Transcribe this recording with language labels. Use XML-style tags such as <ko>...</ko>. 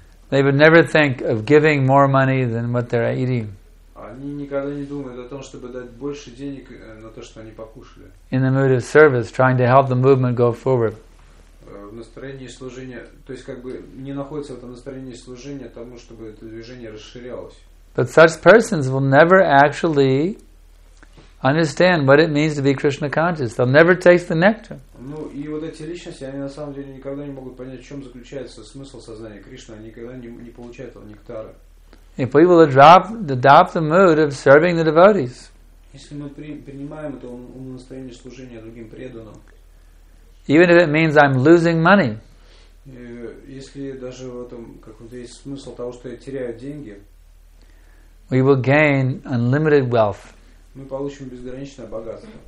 <en>They would never think of giving more money than what they're eating.</en> <ru>Они никогда не думают о том, чтобы дать больше денег на то, что они покушали.</ru> <en>In the mood of service, trying to help the movement go forward.</en> <ru>В настроении служения, то есть как бы не находится в этом настроении служения тому, чтобы это движение расширялось.</ru> <en>But such persons will never actually understand what it means to be Krishna conscious. They'll never taste the nectar.</en> <ru>Ну и вот эти личности, они на самом деле никогда не могут понять, в чем заключается смысл сознания Кришны. Они никогда не получают этого нектара.</ru> <en>If we will adopt the mood of serving the devotees, even if it means I'm losing money, we will gain unlimited wealth.</en>